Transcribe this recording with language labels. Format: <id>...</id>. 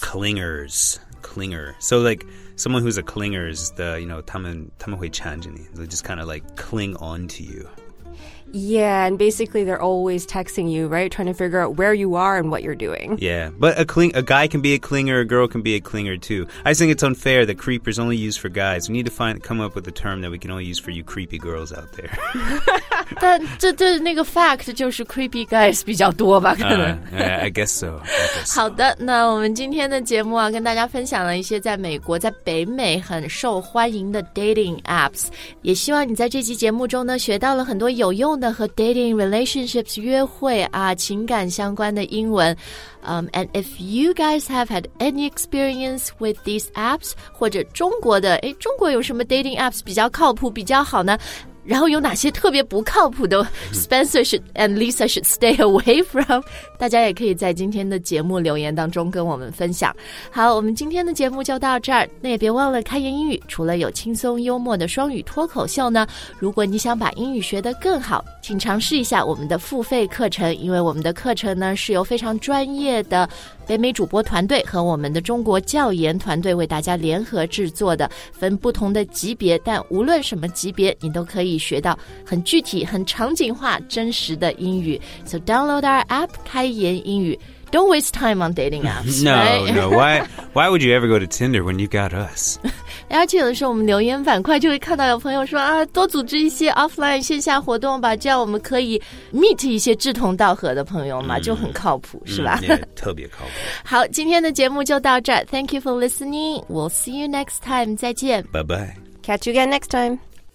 <en>Clingers. Clinger. So like someone who's a clinger is the, you know,</en> <zh>他们会缠着你</zh> <en>They just kind of like cling on to you. Yeah, and basically they're always texting you, right? Trying to figure out where you are and what you're doing. Yeah, but a guy can be a clinger, a girl can be a clinger too. I think it's unfair that creepers only use for guys. We need to come up with a term that we can only use for you creepy girls out there.</en> <zh>但这对那个 fact 就是 creepy guys 比较多吧，可能。</zh> <en>I guess so.</en> <zh>好的，那我们今天的节目啊，跟大家分享了一些在美国、在北美很受欢迎的 dating apps， 也希望你在这期节目中呢学到了很多有用的和 dating relationships 约会啊情感相关的英文。</zh> <en>And if you guys have had any experience with these apps，</en> <zh>或者中国的，哎，中国有什么 dating apps 比较靠谱、比较好呢？然后有哪些特别不靠谱的</zh> <en>Spencer and Lisa should stay away from</en> <zh>大家也可以在今天的节目留言当中跟我们分享好我们今天的节目就到这儿那也别忘了开言英语除了有轻松幽默的双语脱口秀呢如果你想把英语学得更好请尝试一下我们的付费课程因为我们的课程呢是由非常专业的北美主播团队和我们的中国教研团队为大家联合制作的分不同的级别但无论什么级别你都可以学到很具体很场景化真实的英语</zh> <en>So download our app</en> <zh>开言英语</zh> <en>Don't waste time on dating apps No、 right? no why would you ever go to Tinder when you got us</en> <zh>而且有的时候我们留言板块就会看到有朋友说啊，多组织一些 offline 线下活动吧这样我们可以 meet 一些志同道合的朋友嘛、就很靠谱是吧、 yeah, 特别靠谱好今天的节目就到这</zh> <en>Thank you for listening We'll see you next time</en> <zh>再见</zh> <en>Bye bye Catch you again next time</en>